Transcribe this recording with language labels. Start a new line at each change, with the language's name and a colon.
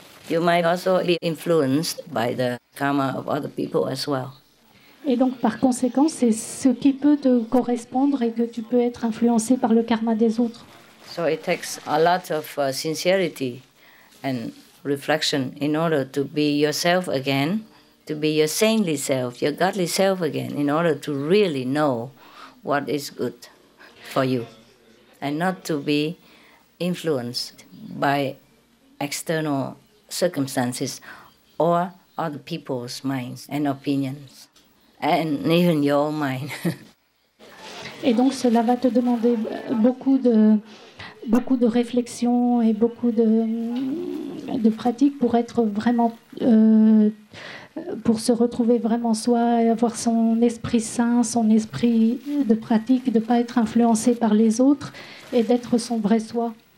English: You might also be influenced by the karma of other people as well.
French: Et donc, par conséquent, c'est ce qui peut te correspondre et que tu peux être influencé par le karma des autres.
English: So it takes a lot of sincerity and reflection in order to be yourself again. To be your saintly self, your godly self again, in order to really know what is good for you, and not to be influenced by external circumstances or other people's minds and opinions, and even your own mind.
French: Et donc cela va te demander beaucoup de réflexion et beaucoup de pratique pour être vraiment pour se retrouver vraiment soi et avoir son esprit saint, son esprit de pratique, de ne pas être influencé par les autres et d'être son vrai soi.